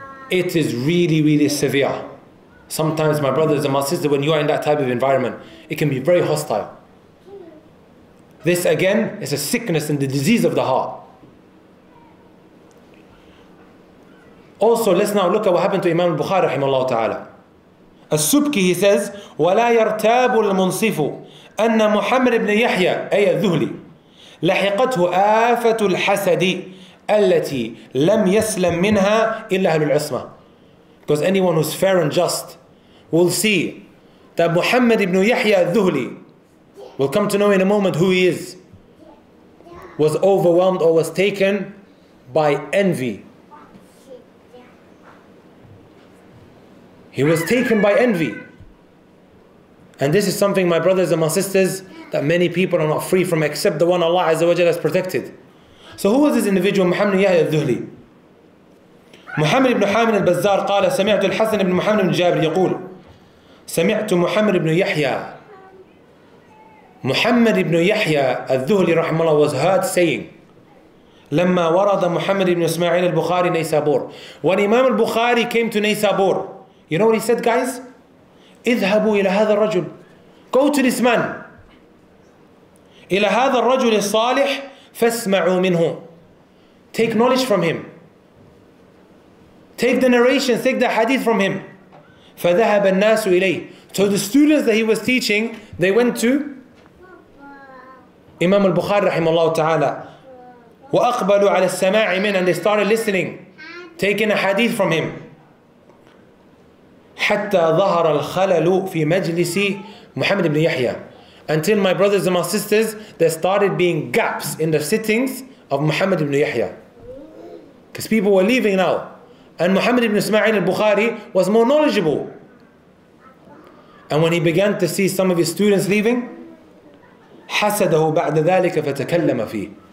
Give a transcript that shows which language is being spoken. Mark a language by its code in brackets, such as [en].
[en] It is really, really severe. Sometimes, my brothers and my sisters, when you are in that type of environment, it can be very hostile. This again is a sickness and the disease of the heart. Also, let's now look at what happened to Imam al-Bukhari rahimahullah ta'ala. [ar] As-Subki, he says, وَلَا يَرْتَابُ الْمُنْصِفُ أَنَّ مُحَمَّدْ ابْنِ يَحْيَى أَيَ الذُّهْلِ لَحِقَتْهُ آفَةُ الْحَسَدِ أَلَّتِي لَمْ يَسْلَمْ مِنْهَا إِلَّا أَهْلُ الْعِصْمَةِ. [en] Because anyone who's fair and just will see that Muhammad ibn Yahya al-Dhuhli, we'll come to know in a moment who he is, was overwhelmed or was taken by envy. He was taken by envy. And this is something, my brothers and my sisters, that many people are not free from except the one Allah Azza wa Jalla has protected. So who was this individual, Muhammad ibn Yahya al-Dhuhli? Muhammad ibn Hamid al-Bazzar qala sami'tu al-Hasan ibn Muhammad ibn Jabir yaqul sami'tu Muhammad ibn Yahya. Muhammad ibn Yahya al-Dhuhli rahimahullah was heard saying lamma warada Muhammad ibn Ismail al-Bukhari Naysabur. When Imam al-Bukhari came to Naysabur, you know what he said, guys? [ar] اذهبوا إلى هذا الرجل. Go to this man. إلى هذا الرجل الصالح فاسمعوا منه. [en] Take knowledge from him. Take the narrations, take the hadith from him. [ar] فذهب الناس إليه. [en] So the students that he was teaching, they went to Imam al-Bukhari rahimahullah ta'ala. وأقبلوا على السماع منه, and they started listening, taking a hadith from him. [ar] حتى ظهر الخلل في مجلس محمد بن يحيى. [en] Until my brothers and my sisters, there started being gaps in the sittings of Muhammad ibn Yahya. Because people were leaving now. And Muhammad ibn Ismail al-Bukhari was more knowledgeable. And when he began to see some of his students leaving, حسده بعد ذلك فتكلم فيه.